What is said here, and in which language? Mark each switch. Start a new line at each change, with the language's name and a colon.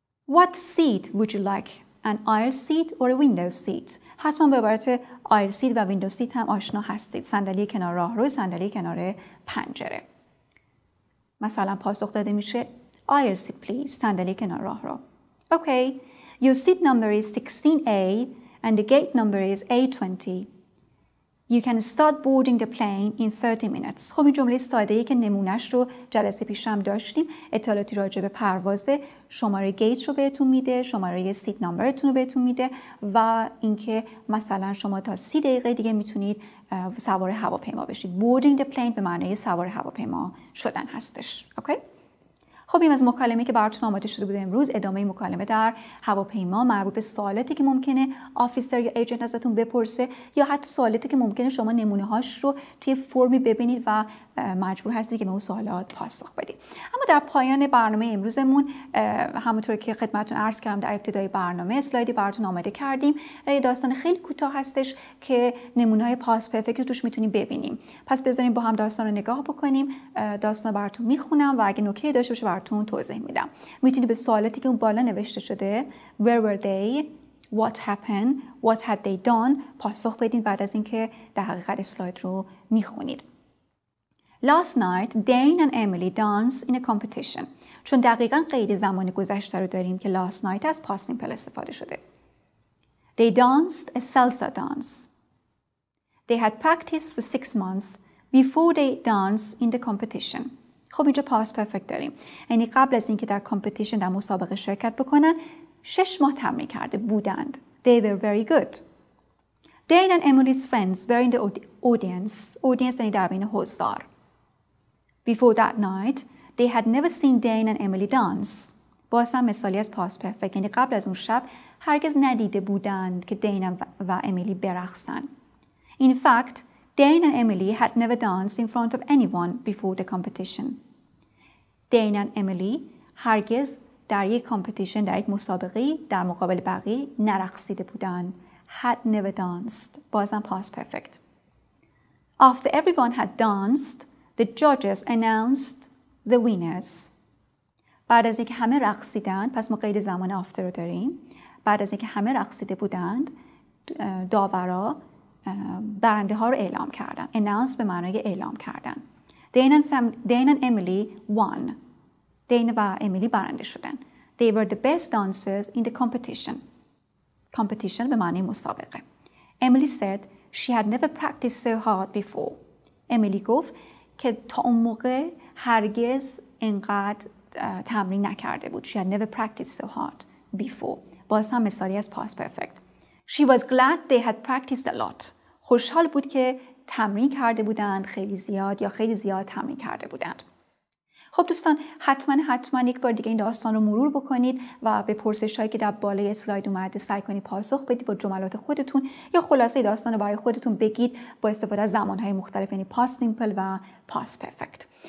English: What seat would you like? An aisle seat or a window seat?
Persian: حتما به عبارت aisle seat و window seat هم آشنا هستید. صندلی کنار راه روی، صندلی کنار پنجره. مثلا پاسخ داده میشه
English: aisle seat please،
Persian: صندلی کنار راه رو.
English: Okay. Your seat number is 16A and the gate number is A20. You can start boarding the plane in 30 minutes.
Persian: خب این جمله ساده ای که نمونهش رو جلسه پیش هم داشتیم. اطلاعاتی راجع به پرواز، شماره گیت رو بهتون میده، شماره سیت نمبرتون رو بهتون میده و اینکه مثلا شما تا 30 دقیقه دیگه میتونید سوار هواپیما بشید. Boarding the plane به معنی سوار هواپیما شدن هستش. Okay? خب این از مکالمه که براتون آماده شده بود امروز. ادامه مکالمه در هواپیما مربوط به سوالاتی که ممکنه آفیسر یا ایجنت ازتون بپرسه یا حتی سوالاتی که ممکنه شما نمونه هاش رو توی فرمی ببینید و مجبور هستید که به اون سوالات پاسخ بدید. اما در پایان برنامه امروزمون همونطور که خدمتتون عرض کردم در ابتدای برنامه اسلایدی براتون آماده کردیم. یه داستان خیلی کوتاه هستش که نمونه‌های پاس پرفکت رو توش می‌تونیم ببینیم. پس بذارین با هم داستان رو نگاه بکنیم. داستان رو براتون می‌خونم و اگه نکته‌ای داشته باشه براتون توضیح میدم. می‌تونید به سوالاتی که اون بالا نوشته شده
English: Where were they? What happened? What had they done?
Persian: پاسخ بدین بعد از اینکه در حقیقت اسلاید رو می‌خونید.
English: Last night, Dane and Emily danced in a competition.
Persian: چون دقیقاً قید زمان گذشته رو داریم که last night از past simple استفاده شده.
English: They danced a salsa dance. They had practiced for 6 months before they danced in the competition.
Persian: خب اینجا past perfect داریم. یعنی قبل از اینکه در competition در مسابقه شرکت بکنن 6 ماه تمرین کرده بودند.
English: They were very good. Dane and Emily's friends were in the audience.
Persian: Audience یعنی در بین حضار.
English: Before that night, they had never seen Dane and Emily dance.
Persian: باز هم مثالی از past perfect. یعنی قبل از اون شب هرگز ندیده بودند که دین و امیلی برقصن.
English: In fact, Dane and Emily had never danced in front of anyone before the competition.
Persian: Dane and Emily هرگز در یک competition, در یک مسابقه در مقابل بقیه نرقصیده بودند.
English: Had never danced.
Persian: باز هم
English: past perfect. After everyone had danced, the judges announced the winners.
Persian: بعد از اینکه همه رقصیدن، پس ما قید زمان after رو داریم. بعد از اینکه همه رقصیده بودند، داورا برنده ها رو اعلام کردن. Announce به معنای اعلام کردن.
English: Dane and Emily won. Dane و Emily
Persian: برنده شدن.
English: They were the best dancers in the competition.
Persian: Competition به معنی مسابقه.
English: Emily said she had never practiced so hard before.
Persian: Emily گفت که تا اون موقع هرگز اینقدر تمرین نکرده بود.
English: She had never practiced so hard before.
Persian: باز هم مثالی از
English: past perfect. She was glad they had practiced a lot.
Persian: خوشحال بود که تمرین کرده بودند خیلی زیاد یا خیلی زیاد تمرین کرده بودند. خب دوستان حتما یک بار دیگه این داستان رو مرور بکنید و به پرسش هایی که در بالای اسلاید اومده سعی کنید پاسخ بدید با جملات خودتون یا خلاصه داستان رو برای خودتون بگید با استفاده از زمانهای مختلف یعنی پاست سیمپل و پاست پرفکت.